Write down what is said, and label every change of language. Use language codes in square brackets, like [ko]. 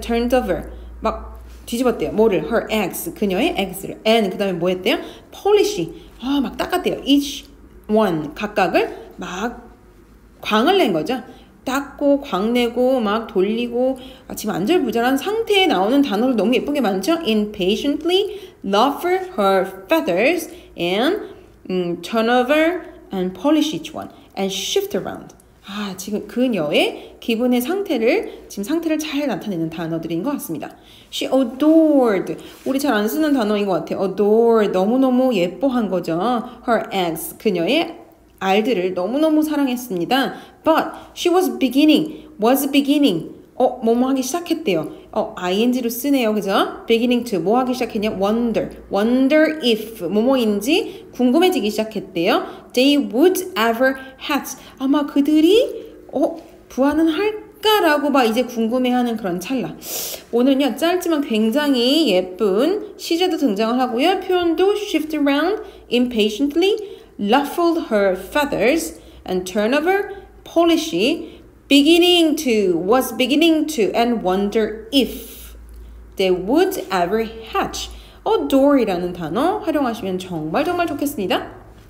[en] Turns over [ko] 막 뒤집었대요. 뭐를? [en] Her eggs. [ko] 그녀의 eggs를. And 그 다음에 뭐 했대요? Polish. 막 닦았대요. [en] Each one. [ko] 각각을 막 광을 낸 거죠. 닦고 광내고 막 돌리고 지금 안절부절한 상태에 나오는 단어로 너무 예쁜 게 많죠? [en] Impatiently ruffle her feathers and turn over and polish each one. And shift around. [ko] 아, 지금 그녀의 기분의 상태를 지금 상태를 잘 나타내는 단어들인 것 같습니다. [en] She adored. [ko] 우리 잘 안 쓰는 단어인 것 같아요. Adored. 너무너무 예뻐한 거죠. [en] Her eggs. [ko] 그녀의 알들을 너무너무 사랑했습니다. [en] But she was beginning. Was beginning. [ko] 뭐뭐 하기 시작했대요. ing로 쓰네요. 그죠? [en] Beginning to. [ko] 뭐 하기 시작했냐? Wonder. [en] Wonder if. [ko] 뭐뭐인지 궁금해지기 시작했대요. [en] They would ever hatch. [ko] 아마 그들이 부화는 할까라고 막 이제 궁금해하는 그런 찰나. 오늘은요. 짧지만 굉장히 예쁜 시제도 등장을 하고요. [en] 표현도 shift around impatiently, ruffled her feathers, and turn over polishy, beginning to, was beginning to, and wonder if they would ever hatch. [ko] Adore이라는 단어 활용하시면 정말 정말 좋겠습니다.